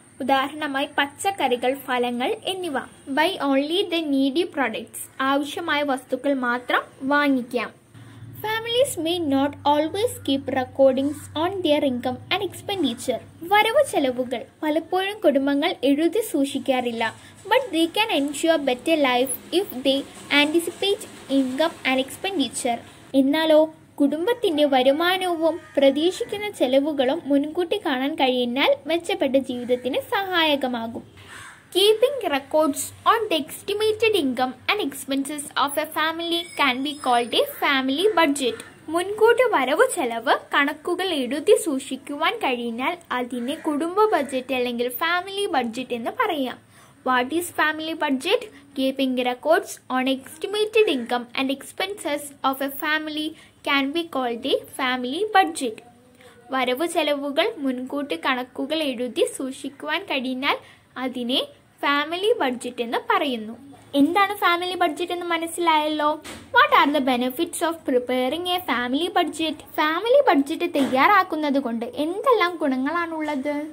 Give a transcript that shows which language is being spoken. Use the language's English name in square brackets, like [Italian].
[Malayalam] ഉദാഹരണമായി പച്ചക്കറികൾ, ഫലങ്ങൾ എന്നിവ. [English] buy only the needy products, [Malayalam] ആവശ്യമായ വസ്തുക്കൾ മാത്രം വാങ്ങിക്കാം. [English] Families may not always keep recordings on their income and expenditure. [Malayalam] വരവ് ചെലവുകൾ പലപ്പോഴും കുടുംബങ്ങൾ എഴുതി സൂക്ഷിക്കാറില്ല. [English] But they can ensure better life if they anticipate income and expenditure. [Malayalam] എന്നാലോ കുടുംബത്തിന്റെ വരുമാനവും പ്രതീക്ഷിക്കുന്ന ചെലവുകളും മുൻകൂട്ടി കാണാൻ കഴിയുന്നാൽ മെച്ചപ്പെട്ട ജീവിതത്തിന് സഹായകമാകും. [English] Keeping records on the estimated income and expenses of a family can be called a family budget. [Malayalam] മുൻകൂട്ടി വരവ് ചെലവ് കണക്കുകൾ എഴുതി സൂക്ഷിക്കുവാൻ കഴിഞ്ഞാൽ അതിനെ കുടുംബ ബഡ്ജറ്റ് അല്ലെങ്കിൽ ഫാമിലി ബഡ്ജറ്റ് എന്ന് പറയാം. [English] What is family budget? Keeping records on estimated income and expenses of a family can be called a family budget. [Malayalam] വരവ് ചെലവുകൾ മുൻകൂട്ടി കണക്കുകൾ എഴുതി സൂക്ഷിക്കുവാൻ കഴിഞ്ഞാൽ അതിനെ ഫാമിലി ബഡ്ജറ്റ് എന്ന് പറയുന്നു. എന്താണ് ഫാമിലി ബഡ്ജറ്റ് എന്ന് മനസ്സിലായല്ലോ. [English] What are the benefits of preparing a family budget? [Malayalam] Family budget തയ്യാറാക്കുന്നത് കൊണ്ട് എന്തെല്ലാം ഗുണങ്ങളാണുള്ളത്?